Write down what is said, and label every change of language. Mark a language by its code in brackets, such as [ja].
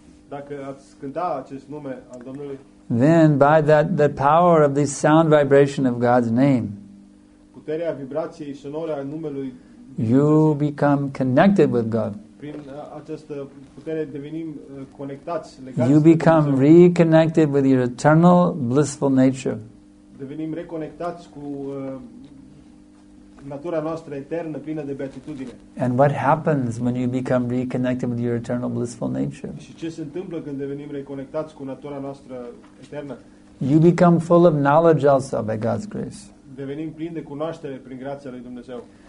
[ro] dacă ați cânta acest nume al Domnului, [en] then by that the power of the sound vibration of God's name, [ro] puterea vibrației sonore a numelui, [en] you become connected with God. [ro] Prin această putere devenim conectați, legați. [en] You become reconnected with your eternal blissful nature. [ro] Devenim reconectați cu natura noastră eternă plină de beatitudine. [en] And what happens when you become reconnected with your eternal blissful nature? [ro] Și ce se întâmplă când devenim reconectați cu natura noastră eternă? [en] You become full of knowledge also by God's grace. [ro] Devenim plini de cunoaștere prin grația lui Dumnezeu.